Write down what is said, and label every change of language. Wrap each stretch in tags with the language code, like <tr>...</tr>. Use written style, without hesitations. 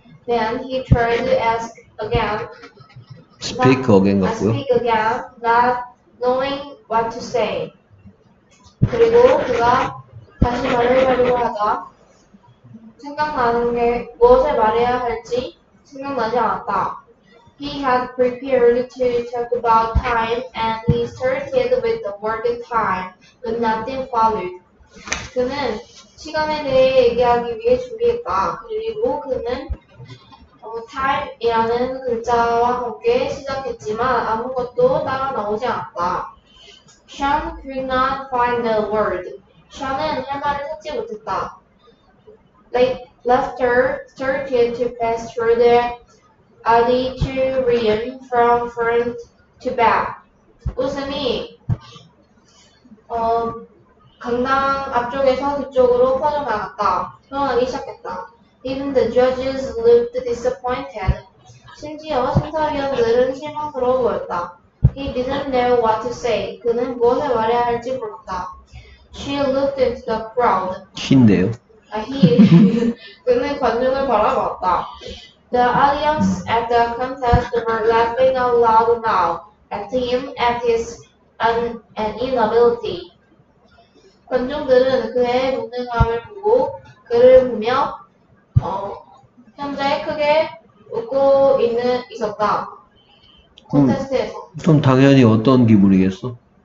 <en>Then he tried to ask again. Speak again,</en> <ko>같고요.</ko> <en>Speak again, not knowing what to say.</en> <ko>그리고 그가 다시 말을 하려고 하자 생각나는 게 무엇을 말해야 할지 생각나지 않았다.</ko> <en>He had prepared to talk about time, and he started with the word time, but nothing followed.</en> <ko>그는 시간에 대해 얘기하기 위해 준비했다. 그리고 그는 time이라는 글자와 함께 시작했지만 아무것도 따라 나오지 않았다.</ko> <en>Sean could not find the word.</en> <ko>Sean은 할 말을 찾지 못했다.</ko> <en>Laughter started to pass through the auditorium from front to back.</en> <ko>웃음이 강당 앞쪽에서 뒤쪽으로 퍼져나갔다. 흘러나기 시작했다.</ko> <en>Even the judges looked disappointed.</en> <ko>심지어 심사위원들은 실망스러워 보였다.</ko> <en>He didn't know what to say.</en> <ko>그는 무엇을 말해야 할지 몰랐다.</ko> <en>She looked into the crowd.</en> <ko>흰데요? 아, 흰. 그는 관중을 바라보았다.</ko> <en>The audience at the contest were laughing out loud now at him at his an inability.</en> <ko>관중들은 그의 무능함을 보고 그를 보며 현재 크게 웃고 있었다. 콘테스트에서. 좀 당연히 어떤 기분이겠어?</ko>